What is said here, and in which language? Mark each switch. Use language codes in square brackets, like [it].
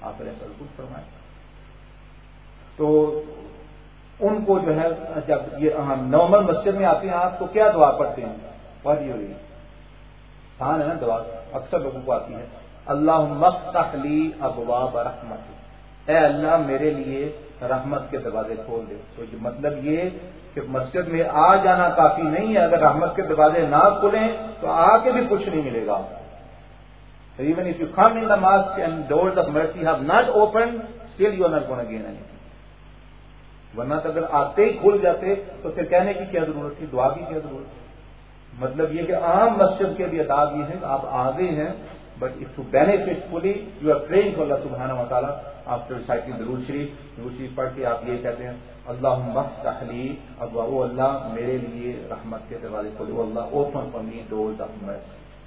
[ur] آپ نے سر خود فرمائے تو ان کو جو ہے جب یہ نارمل مسجد میں آتے ہیں آپ تو کیا دعا پڑھتے ہیں؟ پڑھی ہوئی سان ہے نا دعا, اکثر لوگوں کو آتی ہے, اللہم افتح لی ابواب رحمت, اے اللہ میرے لیے رحمت کے دروازے کھول دے. تو یہ مطلب یہ کہ مسجد میں آ جانا کافی نہیں ہے, اگر رحمت کے دروازے نہ کھلیں تو آ کے بھی کچھ نہیں ملے گا. [en] Even if you come in the mosque and doors of mercy have not opened, still you are not going to gain anything. [ur] ورنہ اگر آتے ہی کھل جاتے تو پھر کہنے کی کیا ضرورت تھی, دعا کی کیا ضرورت تھی. مطلب یہ کہ عام مسجد کے بھی اداب یہ ہیں, آپ آ گئے ہیں, [en] but if you benefit fully you are praying for اللہ سبحانہ و تعالیٰ, [ur] آپ ریسائٹنگ درود شریف, درود شریف پڑھ کے آپ یہ کہتے ہیں اللہم افتح لی ابواب, اللہ میرے لیے رحمت کے دروازے کھولو, [en] اللہ open for me doors of mercy.